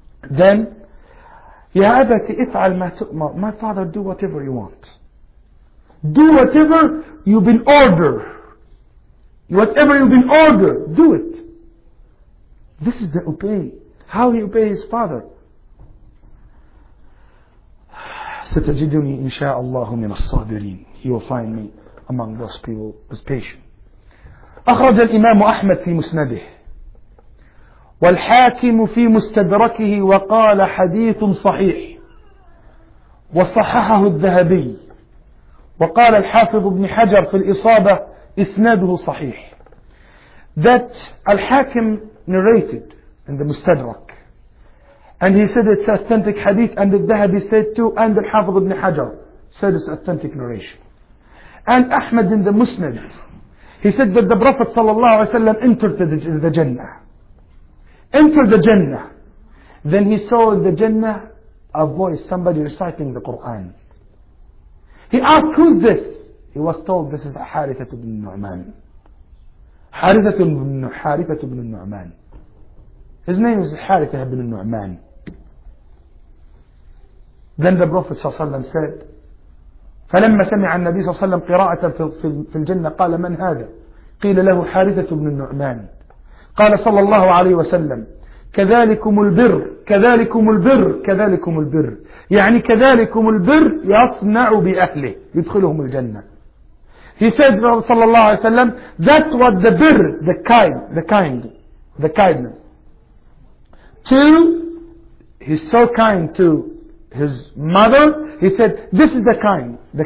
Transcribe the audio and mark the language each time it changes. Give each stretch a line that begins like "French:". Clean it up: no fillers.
Arabic: Then, يَا أَبَتِ إِفْعَلْ مَا تُؤْمَرْ.
English: My father, do whatever you want. Do whatever you've been ordered. Whatever you've been ordered, do it. This is the obey. How he obeys his father.
Arabic: ستجدني إن شاء الله من الصابرين.
English: You will find me among those people with patience.
Arabic: أخرج الإمام أحمد في مسنده والحاكم في مستدركه وقال حديث صحيح وصححه الذهبي وقال الحافظ ابن حجر في الإصابة إسناده صحيح.
English: That الحاكم narrated in the مستدرك. And he said it's authentic hadith, and al-Dahabi said too, and al-Hafiz ibn Hajar said it's authentic narration. And Ahmad in the Musnad, he said that the Prophet sallallahu alayhi wa sallam entered the Jannah. Entered the Jannah. Then he saw in the Jannah a voice, somebody reciting the Quran. He asked, who's this? He was told, this is Harithah ibn Nu'man. Harithah ibn Nu'man. His name is Harithah ibn Nu'man. Then the Prophet
Arabic: صلى الله عليه وسلم said, فلما سمع النبي صلى الله عليه وسلم قراءة في الجنة قال من هذا؟ قيل له حارثة بن النعمان. قال صلى الله عليه وسلم كذلكم البر كذلكم البر كذلكم البر, يعني كذلكم البر يصنع بأهله, يدخلهم الجنة.
English: He said
Arabic: صلى الله عليه وسلم,
English: that was the bir, the kind, the kind, the kindness. Two, he's so kind to his mother. He said, this is the kind.